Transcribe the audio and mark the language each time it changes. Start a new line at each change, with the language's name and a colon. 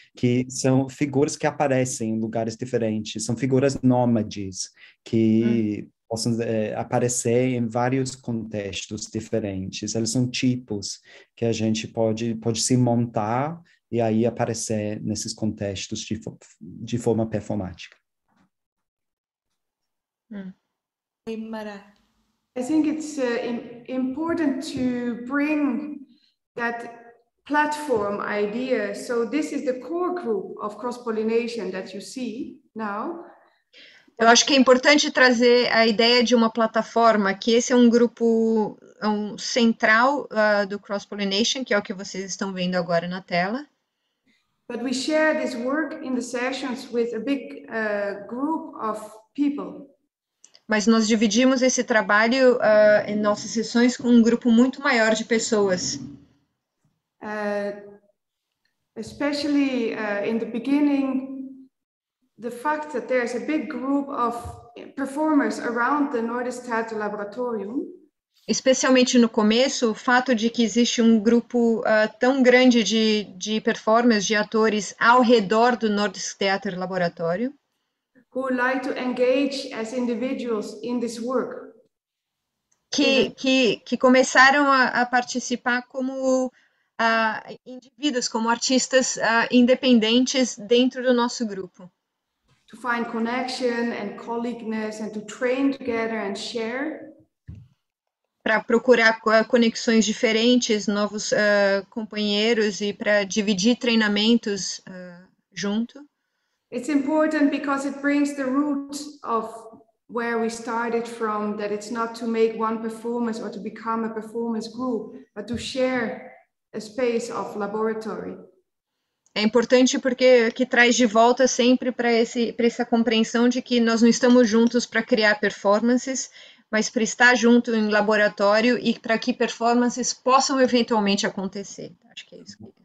Portuguese: Que são figuras que aparecem em lugares diferentes, são figuras nômades que possam aparecer em vários contextos diferentes. Eles são tipos que a gente pode se montar e aí aparecer nesses contextos de forma performática.
English: Hey, Mara. I think it's important to bring that platform idea. So this is the core group of cross-pollination that you see now.
Portuguese: Eu acho que é importante trazer a ideia de uma plataforma, que esse é um grupo central do cross-pollination, que é o que vocês estão vendo agora na tela.
English: But we share this work in the sessions with a big group of people.
Portuguese: Mas nós dividimos esse trabalho em nossas sessões com um grupo muito maior de pessoas.
English: Especially in the beginning, the fact that there's a big group of performers around the Nordestat Laboratorium.
Portuguese: Especialmente no começo, o fato de que existe um grupo tão grande de performers, de atores ao redor do Nordestat Laboratório.
English: Who like to engage as individuals in this work?
Portuguese: Que começaram a participar como indivíduos, como artistas independentes dentro do nosso grupo.
English: To find connection and colleagueness and to train together and share.
Portuguese: Para procurar conexões diferentes, novos companheiros e para dividir treinamentos junto.
English: It's important because it brings the root of where we started from, that it's not to make one performance or to become a performance group, but to share a space of laboratory.
Portuguese: É importante porque que traz de volta sempre para essa compreensão de que nós não estamos juntos para criar performances, mas para estar junto em laboratório e para que performances possam eventualmente acontecer. Acho que é isso que...